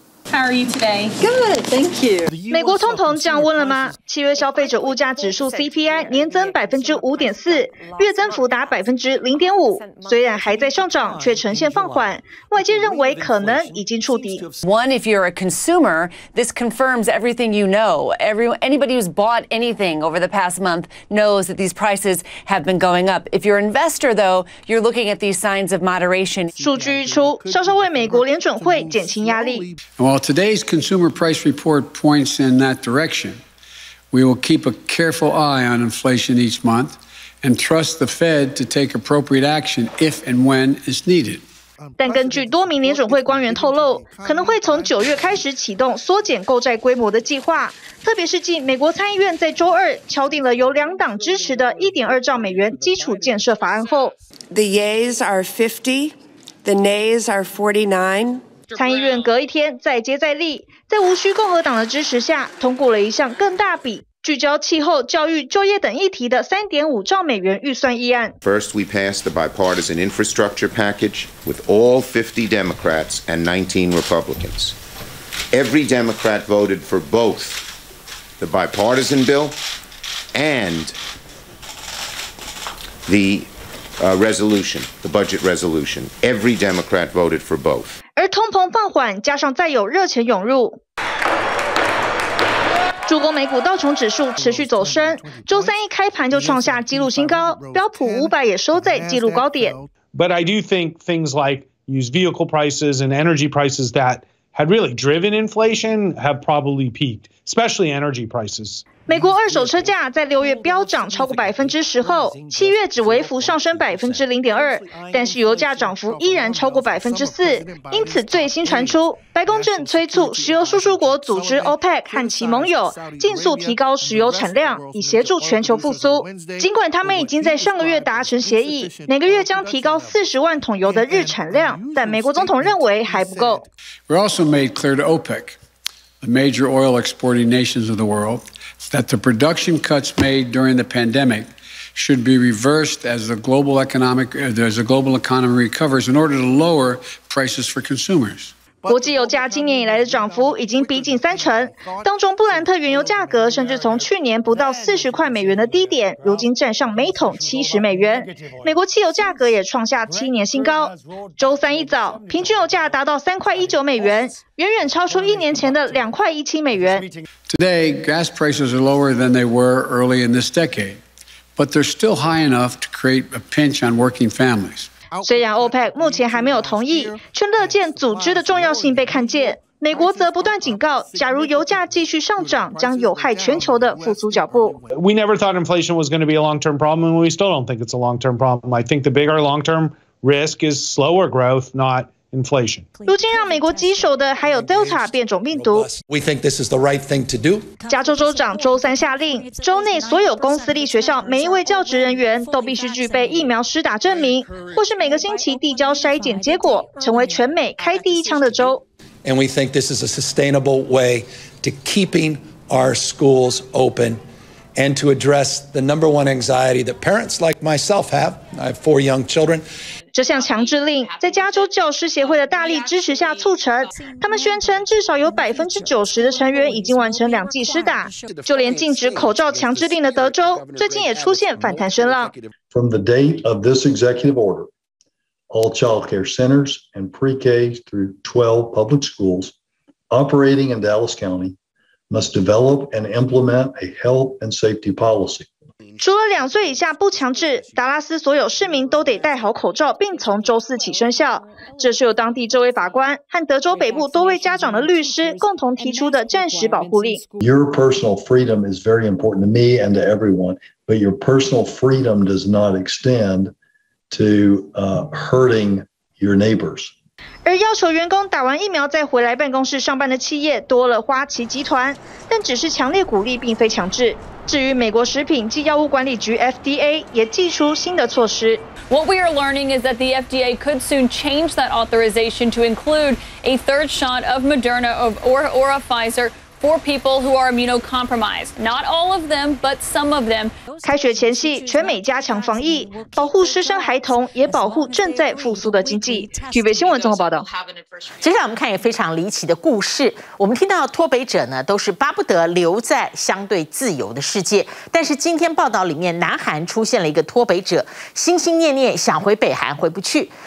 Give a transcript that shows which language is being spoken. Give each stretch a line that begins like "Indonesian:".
English: How are you today? Good, thank you.
Chinese: 美国通膨降温了吗？七月消费者物价指数 CPI 年增5.4%，月增幅达0.5%，虽然还在上涨，却呈现放缓。外界认为可能已经触底。
English: One, if you're a consumer, this confirms everything you know. Anybody who's bought anything over the past month knows that these prices have been going up. If you're an investor, though, you're looking at these signs of moderation.
Chinese: 数据一出，稍稍为美国联准会减轻压力。
English: While today's consumer price report points in that direction, we will keep a careful eye on inflation each month and trust the Fed to take appropriate action if and when is needed.
Chinese: 但根据多名联准会官员透露，可能会从九月开始启动缩减购债规模的计划，特别是继美国参议院在周二敲定了由两党支持的$1.2兆基础建设法案后。
English: The yeas are 50, the nays are 49.
Chinese: 参议院隔一天再接再厉，在无需共和党的支持下，通过了一项更大笔、聚焦气候、教育、就业等议题的$3.5兆预算议案。
English: First, we passed the bipartisan infrastructure package with all 50 Democrats and 19 Republicans. Every Democrat voted for both the bipartisan bill and the resolution, the budget resolution. Every Democrat voted for both.
Chinese: 而通膨放缓，加上再有热钱涌入，主攻美股道琼指数持续走升，周三一开盘就创下纪录新高，标普500也收在纪录高点。
English: But I do think things like used vehicle prices and energy prices that had really driven inflation have probably peaked, especially energy prices.
Chinese: 美国二手车价在六月飙涨超过10%后，七月只微幅上升0.2%，但是油价涨幅依然超过4%。因此，最新传出，白宫正催促石油输出国组织 OPEC 和其盟友尽速提高石油产量，以协助全球复苏。尽管他们已经在上个月达成协议，每个月将提高40万桶油的日产量，但美国总统认为还不够。
English: We also made clear to OPEC, the major oil exporting nations of the world. That the production cuts made during the pandemic should be reversed as the global economy recovers in order to lower prices for consumers.
Chinese: 国际油价今年以来的涨幅已经逼近三成，当中布兰特原油价格甚至从去年不到40块美元的低点，如今站上每桶70美元。美国汽油价格也创下七年新高，周三一早平均油价达到3.19块美元，远远超出一年前的2.17块美元。
English: Today, gas prices are lower than they were early in this decade, but they're still high enough to create a pinch on working families.
Chinese: 虽然 OPEC 目前还没有同意，却乐见组织的重要性被看见。美国则不断警告，假如油价继续上涨，将有害全球的复苏脚步。
English: We never thought inflation was going to be a long-term problem, and we still don't think it's a long-term problem. I think the bigger long-term risk is slower growth, not inflation.
Chinese: 如今让美国棘手的还有 Delta 变种病毒。
English: We think this is the right thing to do.
Chinese: 加州州长周三下令，州内所有公私立学校每一位教职人员都必须具备疫苗施打证明，或是每个星期递交筛检结果，成为全美开第一枪的州。
English: And we think this is a sustainable way to keeping our schools open and to address the number one anxiety that parents like myself have. I have four young children.
Chinese: 这项强制令在加州教师协会的大力支持下促成，他们宣称至少有90%的成员已经完成两剂施打。就连禁止口罩强制令的德州，最近也出现反弹声浪。
English: From the date of this executive order, all childcare centers and pre-K through 12 public schools operating in Dallas County must develop and implement a health and safety policy.
Chinese: 除了两岁以下不强制，达拉斯所有市民都得戴好口罩，并从周四起生效。这是由当地这位法官和德州北部多位家长的律师共同提出的暂时保护令。
English: Your personal freedom is very important to me and to everyone, but your personal freedom does not extend to hurting your neighbors.
Chinese: 而要求员工打完疫苗再回来办公室上班的企业多了花旗集团，但只是强烈鼓励并非强制。至于美国食品及药物管理局 FDA 也祭出新的措施。
English: What we are learning is that the FDA could soon change that authorization to include a third shot of Moderna or a Pfizer for people who are immunocompromised. Not all of them, but some of them.
Chinese: 开学前夕，全美加强防疫，保护师生孩童，也保护正在复苏的经济。据北新闻综合报道。接下来我们看也非常离奇的故事。我们听到脱北者呢，都是巴不得留在相对自由的世界。但是今天报道里面，南韩出现了一个脱北者，心心念念想回北韩，回不去。